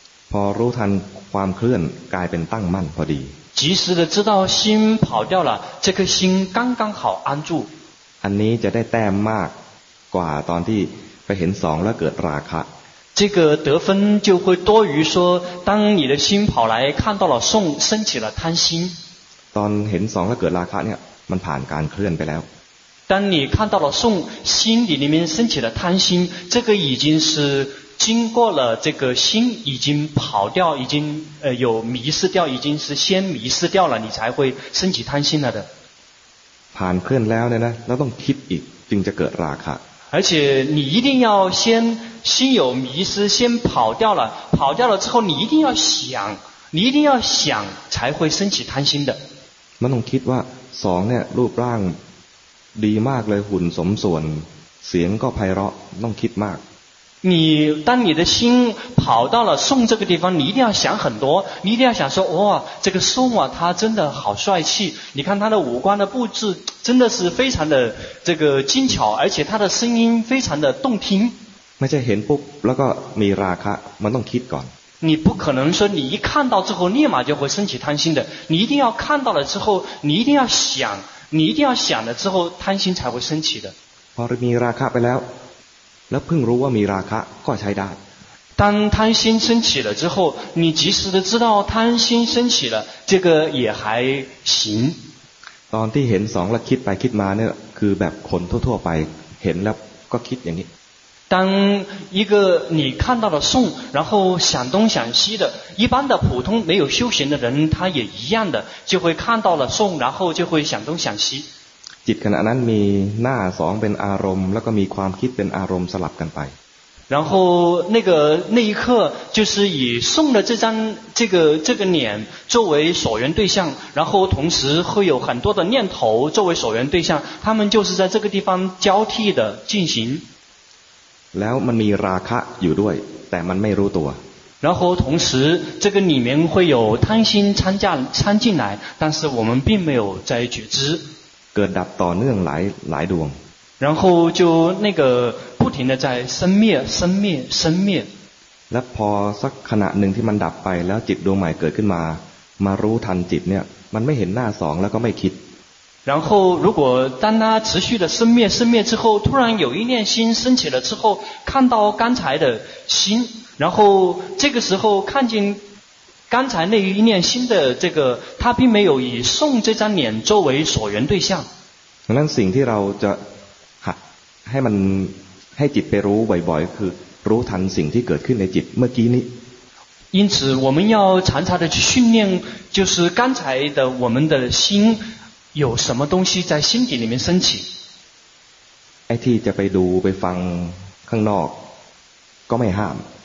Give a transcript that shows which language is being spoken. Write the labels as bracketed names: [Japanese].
[Thai] พอรู้ทันความเคลื่อนกลายเป็นตั้งมั่นพอดี [Chinese] 及时的知道心跑掉了这颗心刚刚好安住 [Thai] อันนี้จะได้แต้มมากกว่าตอนที่ไปเห็นสองแล้วเกิดราคะ [Chinese] 这个得分就会多于说当你的心跑来看到了送升起了贪心 [Thai] ตอนเห็นสองแล้วเกิดราคะเนี่ยมันผ่านการเคลื่อนไปแล้ว [Chinese] 当你看到了送心底里面升起了贪心这个已经是经过了这个心已经跑掉已经有迷失掉已经是先迷失掉了你才会升起贪心了的 [Thai] ผ่านเคลื่อนแล้วเนี่ยนะแล้วต้องคิดอีกจึงจะเกิดราคะ [Chinese] 而且你一定要先心有迷失先跑掉了跑掉了之后你一定要想你一定要想才会升起贪心的 [Thai] มันต้องคิดว่าสองเนี่ยรูปร่างดีมากเลยหุ่นสมส่วนเสียงก็ไพเราะต้องคิดมาก [Chinese] 你当你的心跑到了送这个地方，你一定要想很多，你一定要想说，哇、哦，这个送啊，他真的好帅气，你看他的五官的布置真的是非常的这个精巧，而且他的声音非常的动听。 [Thai] ไม่ใช่เห็นปุ๊บแล้วก็มีราคะมันต้องคิดก่อน。 [Chinese] 你不可能说你一看到之后立马就会升起贪心的，你一定要看到了之后，你一定要想，你一定要想了之后贪心才会升起的。 [Thai] พอมีราคะไปแล้วแล้วเพิ่งรู้ว่ามีราคะก็ใช้ได้ [Chinese] 当贪心升起了之后你及时的知道贪心升起了这个也还行 [Thai] ตอนที่เห็นสองแล้วคิดไปคิดมาเนี่ยคือแบบคนทั่วๆไปเห็นแล้วก็คิดอย่างนี้ [Chinese] 当一个你看到了送然后想东想西的一般的普通没有修行的人他也一样的就会看到了送然后就会想东想西 [Thai] จิตขณะนั้นมีหน้าสองเป็นอารมณ์แล้วก็มีความคิดเป็นอารมณ์สลับกันไป [Chinese] 然后那一刻就是以送的这张这个脸作为所缘对象然后同时会有很多的念头作为所缘对象他们就是在这个地方交替的进行 [Thai] แล้วมันมีราคะอยู่ด้วยแต่มันไม่รู้ตัว [Chinese] 然后同时这个里面会有贪心参进来但是我们并没有在觉知 [Thai] เกิดดับต่อเนื่องหลายดวง [Chinese] 然后就那个不停的在生灭生灭生灭 [Thai] แล้วพอสักขณะหนึ่งที่มันดับไปแล้วจิตดวงใหม่เกิดขึ้นมารู้ทันจิตเนี่ยมันไม่เห็นหน้าสองแล้วก็ไม่คิด [Chinese] 然后如果当它持续的生灭生灭之后突然有一念心升起了之后看到刚才的心然后这个时候看见刚才那一念心的这个他并没有以送这张脸作为所缘对象 [Thai] 那สิ่งที่เราจะให้มันให้จิตไปรู้บ่อยๆคือรู้ทันสิ่งที่เกิดขึ้นในจิตเมื่อกี้นี้ [Chinese] 因此我们要常常的去训练就是刚才的我们的心有什么东西在心底里面升起 [Thai] ไอ้ที่จะไปดูไปฟังข้างนอกก็ไม่ห้าม